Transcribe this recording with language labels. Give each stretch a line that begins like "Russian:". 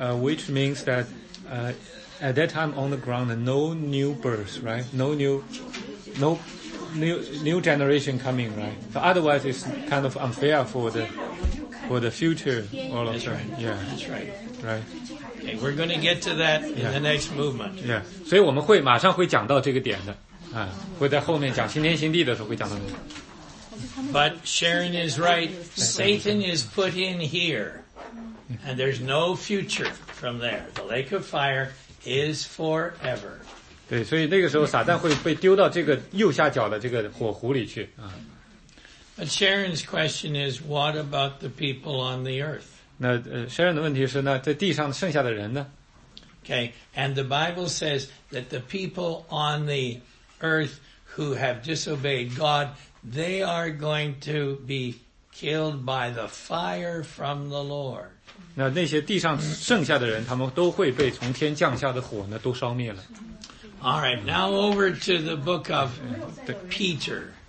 English: which means that at that time on the ground, no new birth, right? No new generation coming, right? So otherwise, it's kind of unfair for the future. All of that's them. Right. Yeah. That's right. Right. Okay, we're going to get to that in yeah. the next movement. Yeah.
Chinese: 所以我们会马上会讲到这个点的，啊，会在后面讲新天新地的时候会讲到这个。
English: But Sharon is right. Satan is put in here, and there's no future from there. The lake of fire is forever.
Chinese: 对，所以那个时候撒旦会被丢到这个右下角的这个火湖里去啊。
English: But Sharon's question is, what about the people on the earth?
Chinese: 那Sharon的问题是呢，在地上剩下的人呢
English: ？Okay, and the Bible says that the people on the earth who have disobeyed God, they are going to be killed by the fire from the Lord.
Chinese: 那些地上剩下的人，他们都会被从天降下的火呢，都烧灭了。
English: All right, now over to the book of Peter.